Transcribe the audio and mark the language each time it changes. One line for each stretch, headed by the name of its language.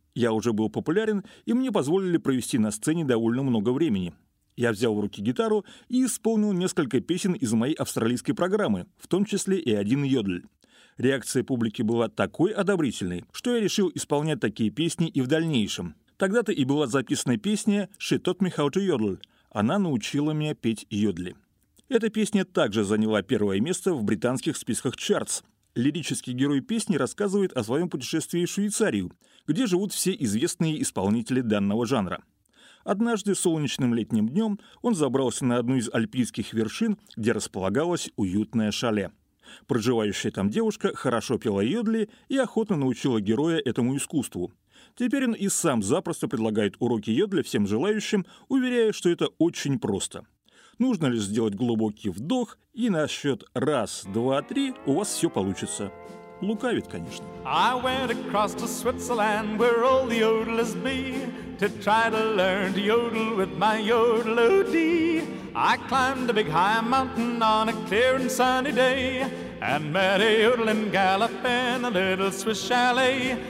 Russian: Я уже был популярен, и мне позволили провести на сцене довольно много времени. Я взял в руки гитару и исполнил несколько песен из моей австралийской программы, в том числе и один йодль. Реакция публики была такой одобрительной, что я решил исполнять такие песни и в дальнейшем. Тогда-то и была записана песня «She taught me how to yodel». Она научила меня петь йодли. Эта песня также заняла первое место в британских списках чартс. Лирический герой песни рассказывает о своем путешествии в Швейцарию, где живут все известные исполнители данного жанра. Однажды солнечным летним днем он забрался на одну из альпийских вершин, где располагалось уютное шале. Проживающая там девушка хорошо пела йодли и охотно научила героя этому искусству. Теперь он и сам запросто предлагает уроки йодли всем желающим, уверяя, что это очень просто. Нужно лишь сделать глубокий вдох, и на счет раз, два, три у вас все получится. Лукавит, конечно.
English: I went across to Switzerland, where all the yodelers be, to try to learn to yodel with my yodel OD. I climbed a big high mountain on a clear and sunny day, and met a yodeling gal up in a little Swiss chalet.